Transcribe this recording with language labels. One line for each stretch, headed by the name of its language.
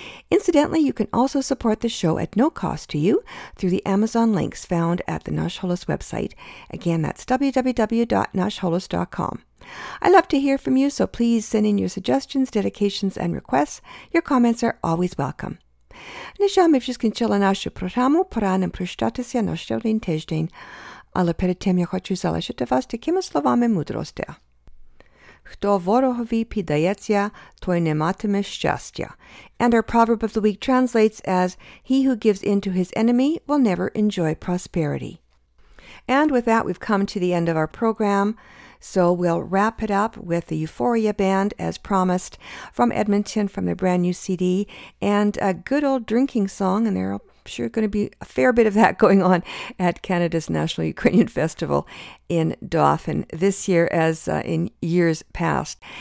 English: Incidentally, you can also support the show at no cost to you through the Amazon links found at the Nash Holos website. Again, that's www.nashholos.com. I love to hear from you, so please send in your suggestions, dedications, and requests. Your comments are always welcome.
Ukrainian: На жаль, ми вже скінчили нашу програму, пора нам прощатися на ще один тиждень. Але перед тим я хочу залишити вас такими словами мудрості. Хто ворогові піддається, той не матиме щастя.
English: And our proverb of the week translates as, he who gives in to his enemy will never enjoy prosperity. And with that, we've come to the end of our program. So we'll wrap it up with the Euphoria Band, as promised, from Edmonton, from their brand new CD, and a good old drinking song, and there are sure going to be a fair bit of that going on at Canada's National Ukrainian Festival in Dauphin this year, as in years past.